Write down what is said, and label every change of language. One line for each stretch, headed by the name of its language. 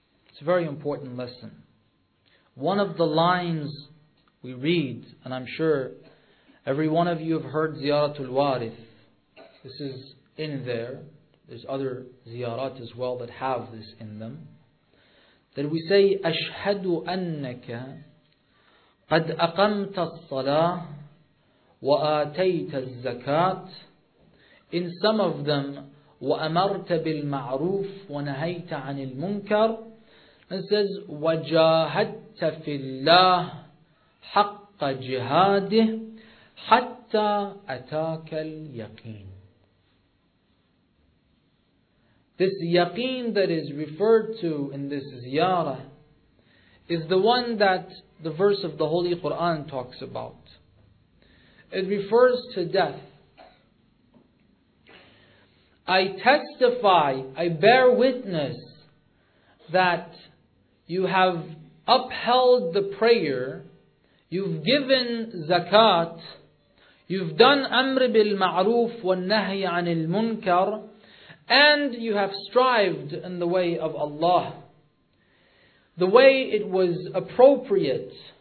English: It's a very important lesson. One of the lines we read, and I'm sure every one of you have heard Ziyaratul Warith, this is in there. There's other ziyarat as well that have this in them. That we say,
Arabic: أَشْهَدُ أَنَّكَ قَدْ أَقَمْتَ الصَّلَاةِ وَآتَيْتَ الزَّكَاةِ.
English: In some of them,
Arabic: وَأَمَرْتَ بِالْمَعْرُوفِ وَنَهَيْتَ عَنِ الْمُنْكَرِ.
English: And says,
Arabic: وَجَاهَدْتَ فِي اللَّهِ حَقَّ جِهَادِهِ حَتَّى أَتَاكَ الْيَقِينِ.
English: This yaqeen that is referred to in this ziyarah is the one that the verse of the Holy Quran talks about. It refers to death. I testify, I bear witness that you have upheld the prayer, you've given zakat, you've done amr bil ma'roof wa nahy anil munkar, and you have strived in the way of Allah, the way it was appropriate.